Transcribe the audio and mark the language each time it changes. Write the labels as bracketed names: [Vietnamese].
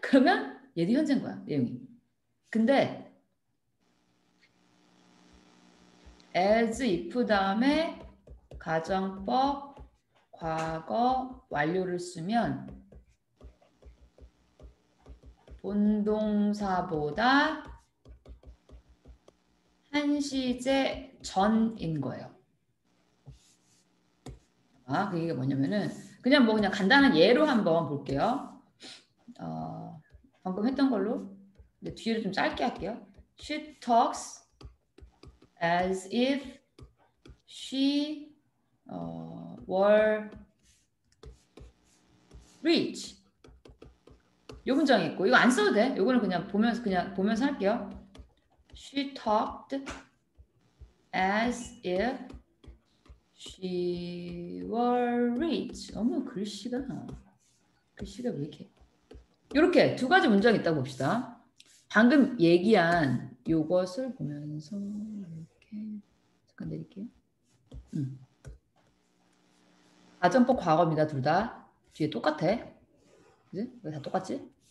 [Korean] 그러면 얘도 현재인 거야, 내용이. 근데 as if 다음에 가정법 과거 완료를 쓰면 본동사보다 한시제 전인 거예요. 아, 그 얘기가 뭐냐면은 그냥 뭐 그냥 간단한 예로 한번 볼게요. 방금 했던 걸로. 근데 뒤를 좀 짧게 할게요. [English] She talks as if she were rich. [Korean] 요 문장 있고 이거 안 써도 돼. 요거는 그냥 보면서 할게요. [English] She talked as if she were rich. [Korean] 어머, 글씨가 왜 이렇게. 이렇게 두 가지 문장이 있다고 봅시다. 방금 얘기한 요것을 보면서 이렇게 잠깐 내릴게요. 가정법 과거입니다. 둘 다. 뒤에 똑같아. 그지? 왜 다 똑같지?